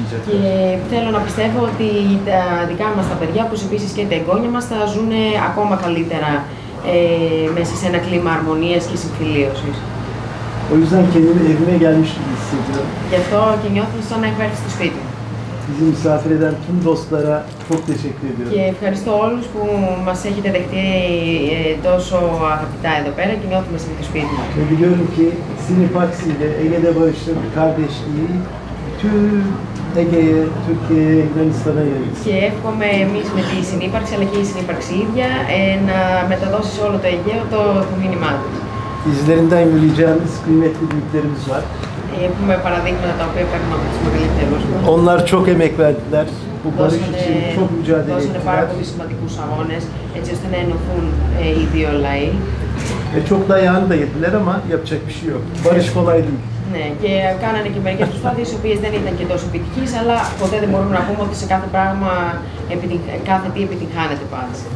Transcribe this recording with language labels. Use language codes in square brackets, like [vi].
[el] Και θέλω να πιστεύω ότι τα δικά μας τα παιδιά, όπως επίσης και τα εγγόνια μας, θα ζουν ακόμα καλύτερα μέσα σε ένα κλίμα αρμονίας και συμφιλίωσης. [tr] O yüzden kendimi evime gelmiş gibi hissediyorum. [el] Γι' αυτό και νιώθω σαν να έχω έρθει στο σπίτι. [tr] Bizi misafir eden tüm dostlara çok teşekkür ediyorum. [el] Και ευχαριστώ όλους που μας έχετε δεχτεί τόσο αγαπητά εδώ πέρα και νιώθουμε σαν το σπίτι μας. [tr] Και biliyorum ki Sinipax ile Ege'de Barış'ın kardeşliği tüm Ege'ye, Türkiye'ye, Yunanistan'a yayılsın. [el] Και εύχομαι εμείς με τη Sinipax αλλά και η Sinipax ίδια να μεταδώσει σε όλο το Αιγαίο το μήνυμά της. [tr] İzlerinden yürüyeceğimiz kıymetli büyüklerimiz var. [el] Έχουμε παραδείγματα τα οποία παίρνουμε από τους μεγαλύτερους μας. [tr] Onlar çok emek verdiler. Bu barış için çok mücadele ettiler. [el] Δώσανε πάρα πολύ σημαντικούς αγώνες, έτσι ώστε να ενωθούν οι δύο λαοί. [tr] Çok dayağını da yediler ama yapacak bir şey yok. Barış kolay değil. [el] Ναι, και κάνανε και μερικές προσπάθειες, οι οποίες δεν ήταν και τόσο επιτυχείς, αλλά ποτέ δεν μπορούμε να πούμε ότι σε κάθε πράγμα, κάθε τι επιτυγχάνεται πάντα.